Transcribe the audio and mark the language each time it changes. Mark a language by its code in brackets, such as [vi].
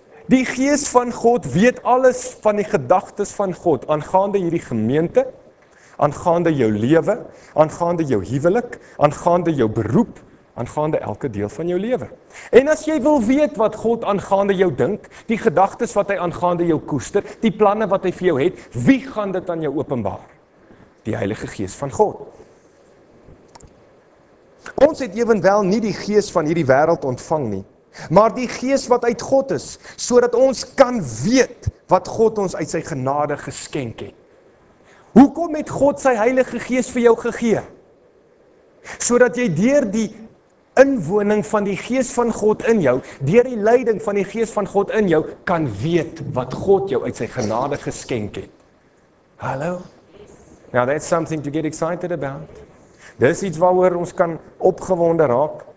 [af] Die gees van God weet alles van die gedagtes van God, aangaande hierdie gemeente, aangaande jou lewe, aangaande jou huwelik, aangaande jou beroep, aangaande elke deel van jou lewe. En as jy wil weet wat God aangaande jou dink, die gedagtes wat hy aangaande jou koester, die planne wat hy vir jou het, wie gaan dit aan jou openbaar? Die Heilige Gees van God. Ons het ewenwel nie die gees van hierdie wêreld ontvang nie, maar die gees wat uit God is, sodat ons kan weet wat God ons uit sy genade geskenk het. Hoekom het God sy Heilige Gees vir jou gegee? Sodat jy deur die inwoning van die gees van God in jou, deur die leiding van die gees van God in jou, kan weet wat God jou uit sy genade geskenk het. [en] Hallo? Now that's something to get excited about. [af] Dis iets waaroor ons kan opgewonde raak.